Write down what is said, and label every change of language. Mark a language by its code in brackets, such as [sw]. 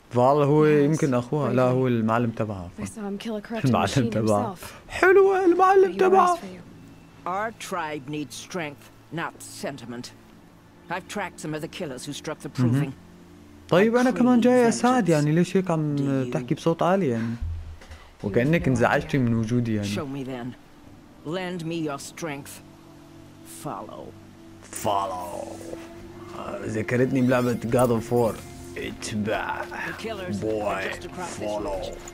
[ar] Varl هو يمكن اخوها. لا هو المعلم تبعها. المعلم تبعها. حلوة المعلم تبعها. [en] Our tribe needs strength. not sentiment. I've tracked some of the killers who struck the proving. [ar] طيب انا كمان جاي اساعد يعني ليش هيك عم تحكي بصوت عالي يعني وكانك انزعجتي من وجودي يعني [en] show me then lend me your strength follow [ar] follow ذكرتني بلعبة God of War اتبع [en] boy follow